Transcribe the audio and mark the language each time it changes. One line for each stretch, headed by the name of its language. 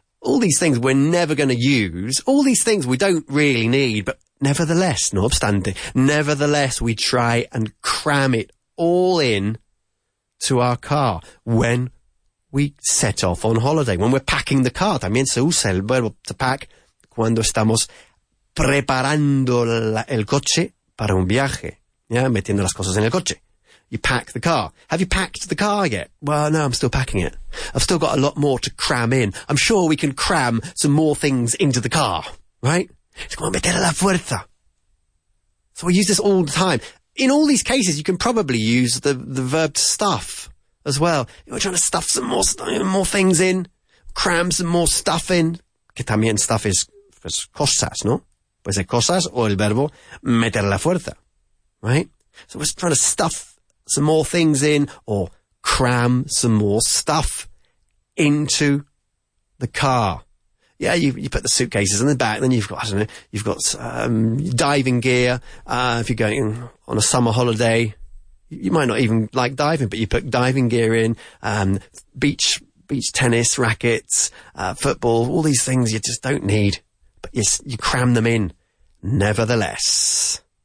English: All these things we're never going to use, all these things we don't really need, but nevertheless,
Spanish: no obstante,
English: nevertheless, we try and cram it all in to our car when we set off on holiday, when we're packing the car.
Spanish: También se usa el verbo to pack cuando estamos preparando el coche para un viaje.
English: Yeah,
Spanish: metiendo las cosas en el coche.
English: You pack the car. Have you packed the car yet? Well, no, I'm still packing it. I've still got a lot more to cram in. I'm sure we can cram some more things into the car, right?
Spanish: Es como meter la fuerza.
English: So we use this all the time. In all these cases, you can probably use the verb to stuff as well. You're trying to stuff some more things in, cram some more stuff in.
Spanish: Que también stuff es cosas, ¿no? Puede ser cosas o el verbo meter la fuerza, right?
English: So we're trying to stuff some more things in or cram some more stuff into the car. Yeah, you put the suitcases in the back, then you've got, I don't know, you've got diving gear. If you're going on a summer holiday, you might not even like diving, but you put diving gear in, beach tennis rackets, football, all these things you just don't need, but you cram them in nevertheless.